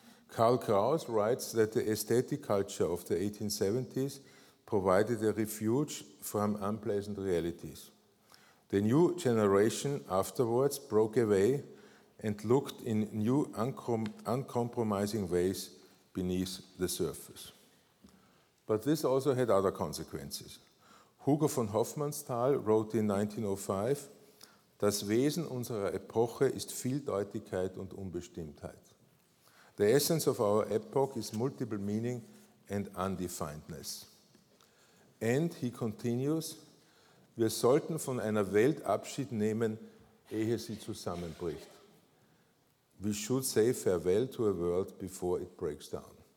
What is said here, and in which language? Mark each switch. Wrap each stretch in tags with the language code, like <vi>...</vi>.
<en>Karl Kraus writes that the aesthetic culture of the 1870s provided a refuge from unpleasant realities. The new generation afterwards broke away and looked in new uncompromising ways beneath the surface. But this also had other consequences. Hugo von Hofmannsthal wrote in 1905,</en> <de>"Das Wesen unserer Epoche ist Vieldeutigkeit und Unbestimmtheit.</de> <en>The essence of our epoch is multiple meaning and undefinedness." And he continues,</en> <de>"Wir sollten von einer Welt Abschied nehmen, ehe sie zusammenbricht.</de> <en>We should say farewell to a world before it breaks down."</en>